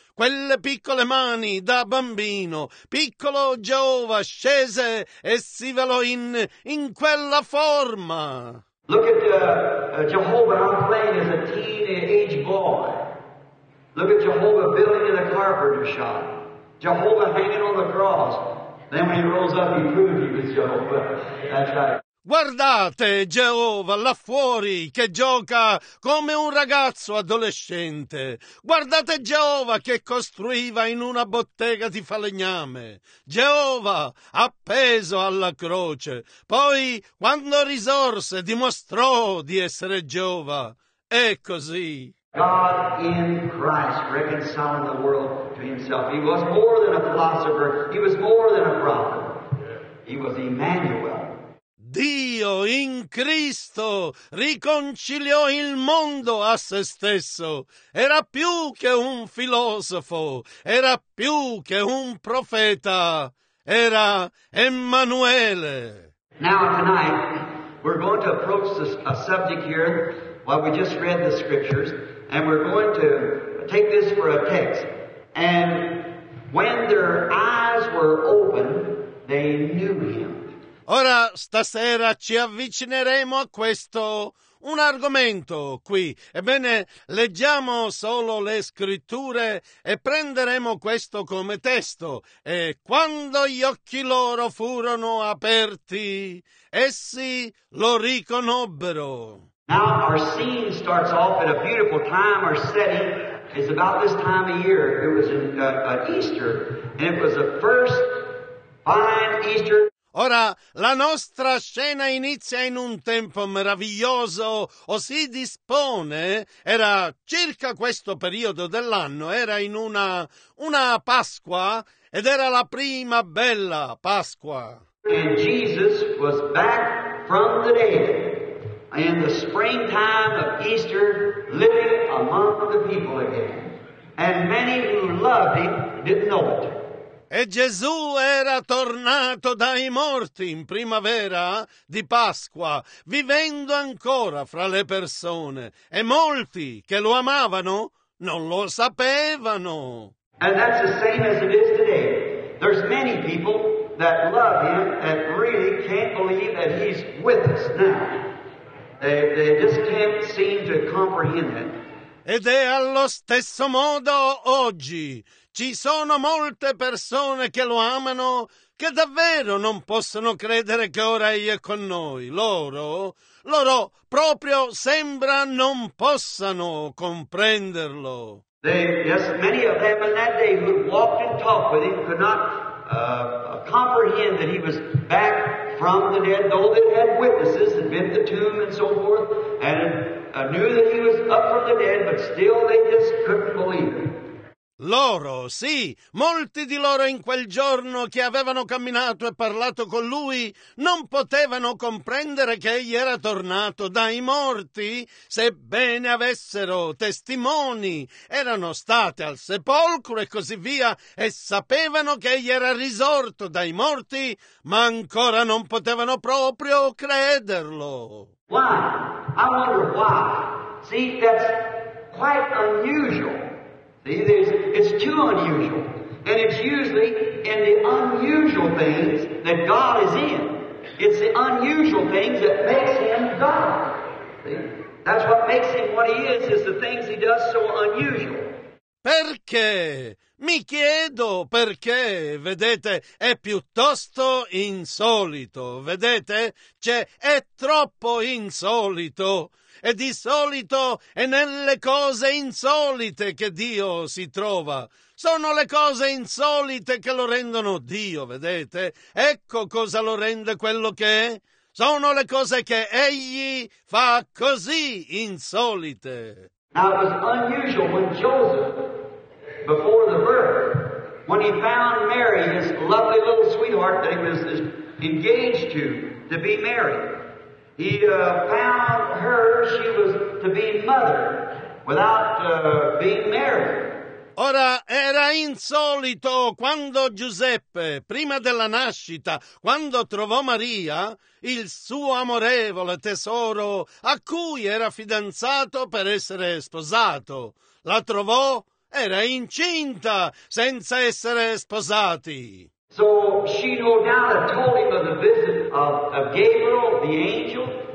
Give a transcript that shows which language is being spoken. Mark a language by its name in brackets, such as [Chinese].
[Italian] Quelle piccole mani da bambino, piccolo Geova scese e si velò in quella forma. [English] Look at Jehovah on playing as a teenage boy. Look at Jehovah building in a carpenter shop. Jehovah hanging on the cross. Then when he rose up, he proved he was Jehovah. That's right. [Italian] Guardate Geova là fuori che gioca come un ragazzo adolescente. Guardate Geova che costruiva in una bottega di falegname. Geova appeso alla croce. Poi, quando risorse, dimostrò di essere Geova. È così. [English] God in Christ reconciling the world to himself. He was more than a philosopher. He was more than a prophet. He was Emmanuel. [Italian] Dio in Cristo riconciliò il mondo a se stesso. Era più che un filosofo, era più che un profeta, era Emmanuele. [English] Now tonight we're going to approach a subject here while we just read the scriptures, and we're going to take this for a text. And when their eyes were open, they knew him. [Italian] Ora stasera ci avvicineremo a questo, un argomento qui. Ebbene, leggiamo solo le scritture e prenderemo questo come testo. E quando gli occhi loro furono aperti, essi lo riconobbero. [English] Now our scene starts off at a beautiful time, our setting is about this time of year. It was in Easter, and it was the first fine Easter. [Italian] Ora, la nostra scena inizia in un tempo meraviglioso, o si dispone, era circa questo periodo dell'anno, era in una Pasqua, ed era la prima bella Pasqua. [English] And Jesus was back from the dead, in the springtime of Easter, living among the people again. And many who loved him didn't know it. [Italian] E Gesù era tornato dai morti in primavera di Pasqua, vivendo ancora fra le persone, e molti che lo amavano non lo sapevano. [English] And that's the same as it is today. There's many people that love him and really can't believe that he's with us now. They just can't seem to comprehend it. [Italian] Ed è allo stesso modo oggi. Ci sono molte persone che lo amano che davvero non possono credere che ora egli è con noi. Loro proprio sembra non possano comprenderlo. [English] Many of them in that day who walked and talked with him could not comprehend that he was back from the dead, though they had witnesses and been to the tomb and so forth, and knew that he was up from the dead, but still they just couldn't believe it. [Italian] Loro, sì, molti di loro in quel giorno che avevano camminato e parlato con lui non potevano comprendere che egli era tornato dai morti, sebbene avessero testimoni, erano state al sepolcro e così via, e sapevano che egli era risorto dai morti, ma ancora non potevano proprio crederlo. [English] Why? I wonder why. See, that's quite unusual. It's too unusual, and it's usually in the unusual things that God is in. It's the unusual things that makes Him God. See? That's what makes Him what He is the things He does so unusual. [Italian] Perché? Mi chiedo perché, vedete, è piuttosto insolito, vedete? Cioè, è troppo insolito. E di solito è nelle cose insolite che Dio si trova. Sono le cose insolite che lo rendono Dio, vedete? Ecco cosa lo rende quello che è. Sono le cose che Egli fa così insolite. [English] Now it was unusual when Joseph, before the birth, when he found Mary, his lovely little sweetheart that he was engaged to be married. He found her, she was to be mother without being married. [Italian] Ora, era insolito quando Giuseppe, prima della nascita, quando trovò Maria, il suo amorevole tesoro, a cui era fidanzato per essere sposato. La trovò, era incinta, senza essere sposati. [English] So she no doubt had told him of the visit of Gabriel, the angel.